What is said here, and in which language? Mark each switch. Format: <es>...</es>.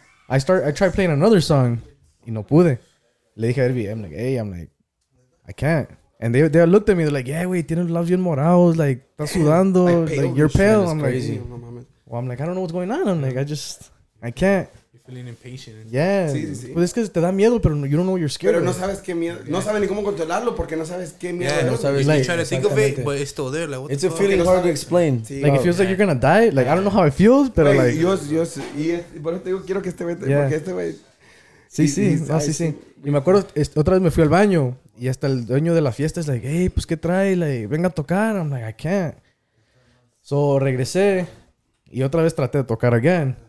<en>I tried playing another song,</en> <es>y no pude. Le dije a Ervi,</es> <en>I'm like, I can't. And they looked at me, they're like, yeah, güey,</en> <es>tienes los labios morados,</es> <en>like,</en> <es>estás sudando,</es> <en>like you're pale. I'm crazy. Like, well, I'm like, I don't know what's going on. I'm like, I can't. You're feeling impatient. Yeah.</en> <es>Sí. Pues es que te da miedo, pero</es> <en>you don't know what you're scared of.</en> <es>Pero no sabes qué miedo. No sabes ni cómo controlarlo porque no sabes qué miedo.</es> <en>Yeah,</en> <es>no sabes.</es> <en>You like, try to think of it, but it's still there. Like, it's a feeling hard to explain. Sí. Like, it feels like you're going to die. Like, I don't know how it feels, pero wait, like...</en> <es>Yo, y por eso te digo, quiero que este vete, porque este güey... Sí. Y me acuerdo, otra vez me fui al baño y hasta el dueño de la fiesta es like, hey, pues, ¿qué trae? Like, venga a tocar.</es> <en>I'm like, I can't.</en> <es>So, regresé y otra vez traté de tocar again.</es>